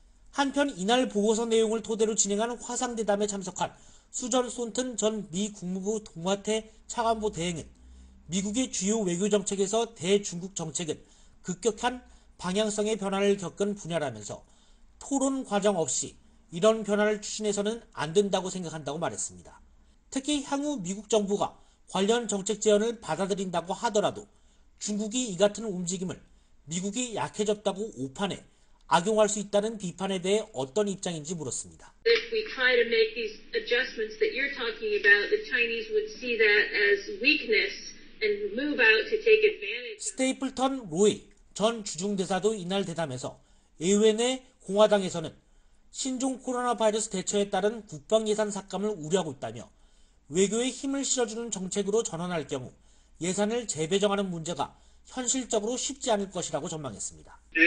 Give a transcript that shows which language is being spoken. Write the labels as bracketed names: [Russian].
[Korean] 한편 이날 보고서 내용을 토대로 진행한 화상대담에 참석한 수전 손튼 전 미 국무부 동아태 차관보 대행은 미국의 주요 외교정책에서 대중국 정책은 급격한 방향성의 변화를 겪은 분야라면서 토론 과정 없이 이런 변화를 추진해서는 안 된다고 생각한다고 말했습니다. 특히 향후 미국 정부가 관련 정책 제안을 받아들인다고 하더라도 중국이 이 같은 움직임을 미국이 약해졌다고 오판해 악용할 수 있다는 비판에 대해 어떤 입장인지 물었습니다. [English] If we try to make these adjustments that you're talking about, the Chinese would see that as weakness and move out to take advantage. [Korean] 스테이플턴 로이 전 주중대사도 이날 대담에서 의회 내 공화당에서는 신종 코로나 바이러스 대처에 따른 국방 예산 삭감을 우려하고 있다며 외교에 힘을 실어주는 정책으로 전환할 경우 예산을 재배정하는 문제가 현실적으로 쉽지 않을 것이라고 전망했습니다.